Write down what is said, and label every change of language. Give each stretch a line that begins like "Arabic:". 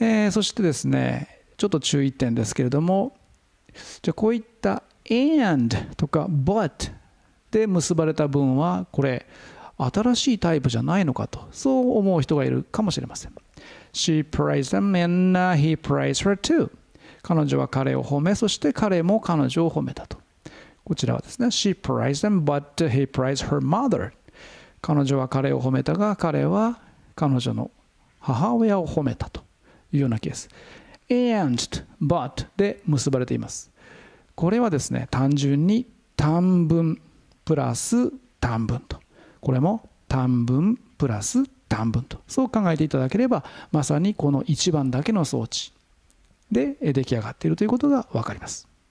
Japanese: そしてですね、ちょっと注意点ですけれども、じゃあこういった and とか but で結ばれた文はこれ新しいタイプじゃないのかと、そう思う人がいるかもしれません。
English: She praised them and he praised her too、
Japanese: 彼女は彼を褒め、そして彼も彼女を褒めたと。こちらはですね、
English: She praised them, but he praised her mother。
Japanese: 彼女は彼を褒めたが、彼は彼女の母親を褒めたというようなケース。 And, but で結ばれています。これはですね、単純に短文プラス短文と、これも短文プラス短文と、そう考えていただければまさにこの一番だけの装置で出来上がっているということがわかります。